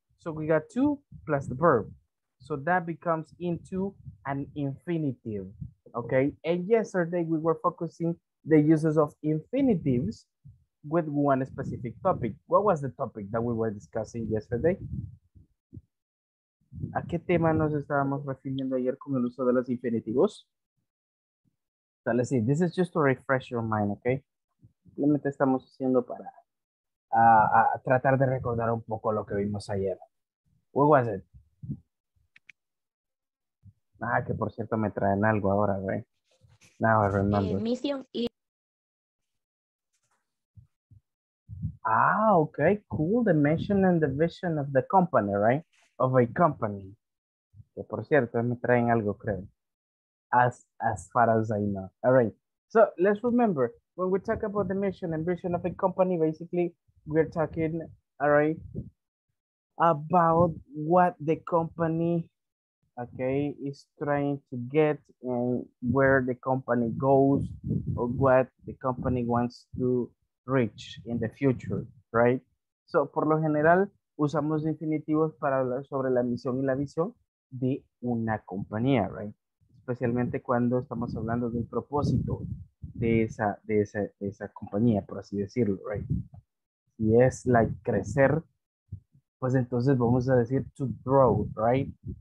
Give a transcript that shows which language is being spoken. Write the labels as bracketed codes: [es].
[en] So we got to plus the verb. So that becomes into an infinitive, okay? And yesterday, we were focusing the uses of infinitives with one specific topic. What was the topic that we were discussing yesterday? [es] ¿A qué tema nos estábamos refiriendo ayer con el uso de los infinitivos? [en] So let's see, this is just to refresh your mind, okay? [es] Simplemente estamos haciendo para tratar de recordar un poco lo que vimos ayer. [en] What was it? [es] Ah, que por cierto me traen algo ahora, right? [en] Now I remember. Mission y... Ah, okay, cool. The mission and the vision of the company, right? Of a company. [es] Que por cierto me traen algo, creo. [en] As far as I know. All right. So let's remember, when we talk about the mission and vision of a company, basically we're talking, all right, about what the company, okay, is trying to get and where the company goes or what the company wants to reach in the future, right? [es] So por lo general, usamos infinitivos para hablar sobre la misión y la visión de una compañía, right? Especialmente cuando estamos hablando del propósito de esa compañía, por así decirlo, right? Si es like crecer, pues entonces vamos a decir [en] to grow, [es] right?